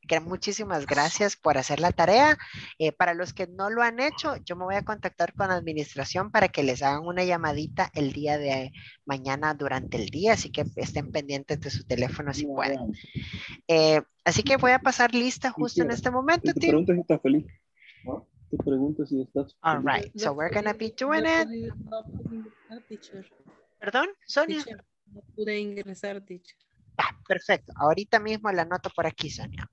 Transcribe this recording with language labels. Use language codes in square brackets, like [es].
[es] Muchísimas gracias por hacer la tarea. Para los que no lo han hecho, yo me voy a contactar con administración para que les hagan una llamadita el día de mañana durante el día, así que estén pendientes de su teléfono si pueden. Así que voy a pasar lista justo en este momento. Te pregunto si estás feliz. Te pregunto si estás feliz. [en] All right, so we're going to be doing it. [es] Perdón, Sonia. No pude ingresar, teacher. Ah, perfecto, ahorita mismo la anoto por aquí, Sonia.